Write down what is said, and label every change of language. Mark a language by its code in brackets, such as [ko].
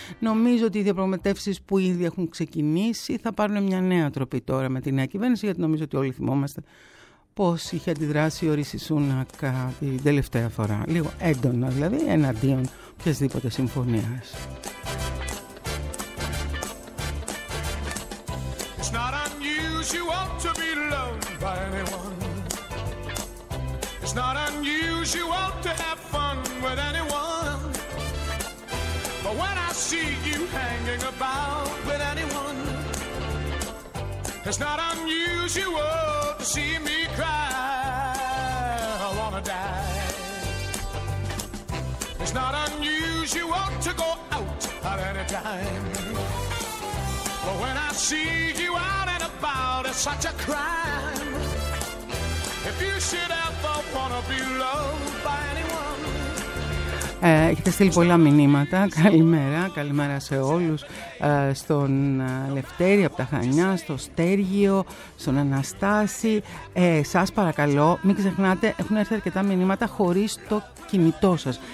[el] Νομίζω ότι οι διαπραγματεύσεις που ήδη έχουν ξεκινήσει θα πάρουν μια νέα τροπή τώρα με τη νέα κυβέρνηση, γιατί νομίζω ότι όλοι θυμόμαστε πώς είχε αντιδράσει ο Ρίση Σούνακ την τελευταία φορά, λίγο έντονα δηλαδή, εναντίον οποιασδήποτε συμφωνίας. [en] It's not unusual to be loved by anyone. It's not unusual to have fun with anyone. But when I see you hanging about with anyone, it's not unusual to see me cry. I wanna die. It's not unusual to go out at any time. But when I see you out and about, it's such a crime. If you should ever wanna be loved by anyone. [el] Έχετε στείλει πολλά μηνύματα. Καλημέρα, καλημέρα σε όλους. Στον Λευτέρη από τα Χανιά, στο Στέργιο, στον Αναστάση. Σας παρακαλώ, μην ξεχνάτε, έχουν έρθει αρκετά μηνύματα χωρίς το κινητό σας.